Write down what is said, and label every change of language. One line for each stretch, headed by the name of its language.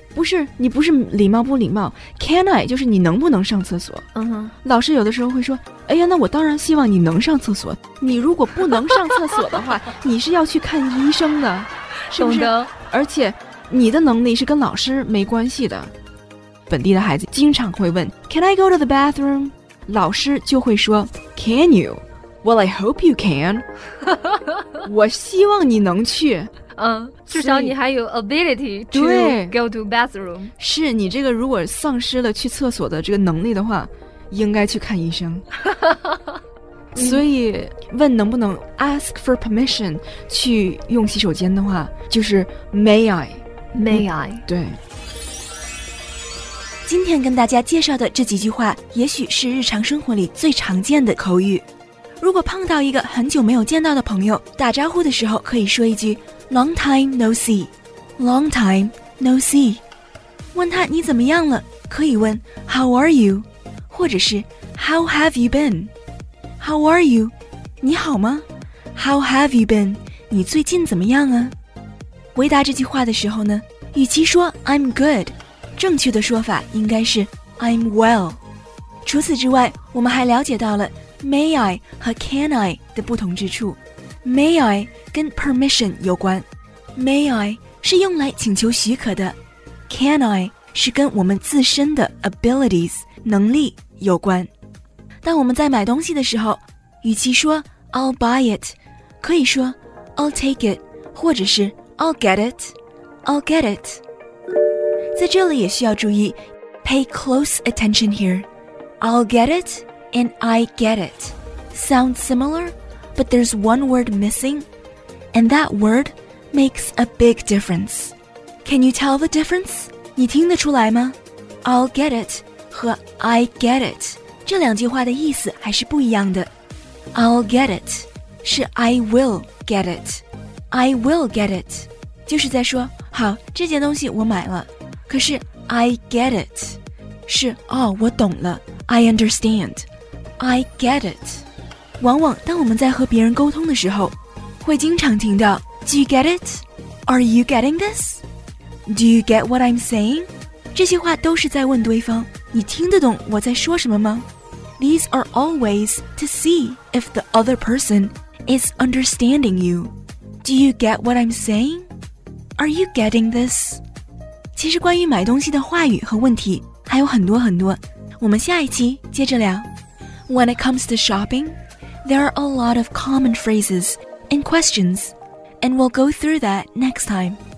Chinese: 不是，你不是礼貌不礼貌，
English: Can I
Chinese: 就是你能不能上厕所。老师有的时候会说，哎呀，那我当然希望你能上厕所，你如果不能上厕所的话你是要去看医生的，是不是？懂得。而且你的能力是跟老师没关系的。本地的孩子经常会问
English: Can I go to the bathroom?
Chinese: 老师就会说
English: Can you? Well, I hope you can.
Chinese: 我希望你能去。至少你还有
English: ability to go to bathroom.
Chinese: 是，你这个如果丧失了去厕所的这个能力的话，应该去看医生。所以问能不能
English: ask for permission
Chinese: 去用洗手间的话，就是
English: may I? May I?
Chinese: 对。今天跟大家介绍的这几句话也许是日常生活里最常见的口语。如果碰到一个很久没有见到的朋友，打招呼的时候可以说一句
English: Long time no see，
Chinese: Long time no see。问他你怎么样了，可以问
English: How are you，
Chinese: 或者是
English: How have you been。 How are you，
Chinese: 你好吗？
English: How have you been，
Chinese: 你最近怎么样啊？回答这句话的时候呢，与其说
English: I'm good，
Chinese: 正确的说法应该是
English: I'm well。
Chinese: 除此之外，我们还了解到了May I 和 Can I 的不同之处。 May I 跟 Permission 有关， May I 是用来请求许可的， Can I 是跟我们自身的 Abilities 能力有关。当我们在买东西的时候，与其说
English: I'll buy it，
Chinese: 可以说
English: I'll take it，
Chinese: 或者是
English: I'll get it，
Chinese: I'll get it。在这里也需要注意
English: Pay close attention here。 I'll get itAnd I get it sound similar, but there's one word missing, and that word makes a big difference. Can you tell the difference?
Chinese: 你听得出来吗？
English: I'll get it
Chinese: 和
English: I get it
Chinese: 这两句话的意思还是不一样的。
English: I'll get it 是 I will get it, I will get it
Chinese: 就是在说好，这件东西我买了，可是
English: I get it
Chinese: 是哦，我懂了，
English: I understandI get it。
Chinese: 往往当我们在和别人沟通的时候，会经常听到
English: Do you get it? Are you getting this? Do you get what I'm saying?
Chinese: 这些话都是在问对方，你听得懂我在说什么吗？
English: These are always to see if the other person is understanding you. Do you get what I'm saying? Are you getting this?
Chinese: 其实关于买东西的话语和问题还有很多很多，我们下一期接着聊。
English: When it comes to shopping, there are a lot of common phrases and questions, and we'll go through that next time.